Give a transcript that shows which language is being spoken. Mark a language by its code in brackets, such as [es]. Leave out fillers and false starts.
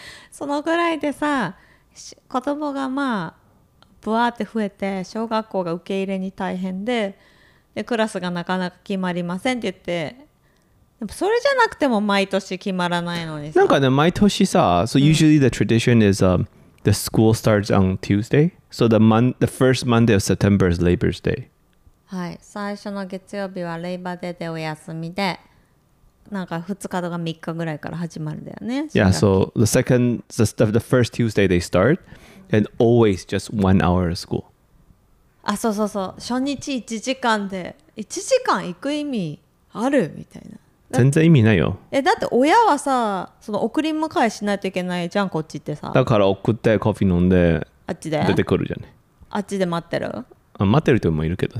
[ja] そのぐらいでさ、子供がまあブワーって増えて、小学校が受け入れに大変 でクラスがなかなか決まりませんって言って、それじゃなくても毎年決まらないのにさ。なんかね、毎年さ、 [en] so usually the tradition is、the school starts on Tuesday, so the first Monday of September is Labor Day. [ja] はい、最初の月曜日はレイバーデーでお休みで、なんか2日とか3日ぐらいから始まるんだよね。 [en] Yeah, so the second, the first Tuesday they start, and always just 1 hour of school. [ja] あ、そうそうそう。初日1時間で、1時間行く意味あるみたいな。全然意味ないよ。え、だって親はさ、その送り迎えしないといけないじゃん、こっちってさ。だから送ってコーヒー飲んで、あっちで出てくるじゃん。あっちで待ってる？あ、待ってる人もいるけど。